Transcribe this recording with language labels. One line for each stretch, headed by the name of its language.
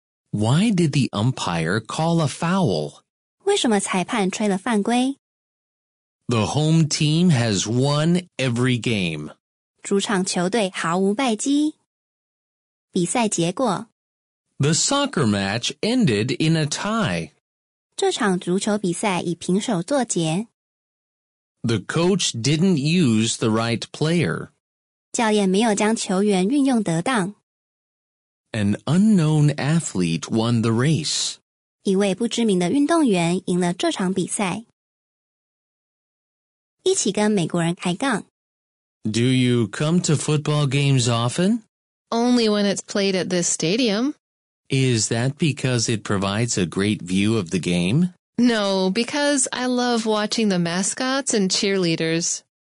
English: Why did the umpire call a foul?
Chinese: 为什么裁判吹了犯规?
English: The home team has won every game.
Chinese: 主场球队毫无败绩.比赛结果.
English: The soccer match ended in a tie.
Chinese: 这场足球比赛以平手作结.
English: The coach didn't use the right player.
Chinese: 教练没有将球员运用得当.
English: An unknown athlete won the race.
Chinese: 一位不知名的运动员赢了这场比赛. 一起跟美国人开杠.
English: Do you come to football games often? Only when it's played at this stadium. Is that because it provides a great view of the game? No, because I love watching the mascots and cheerleaders.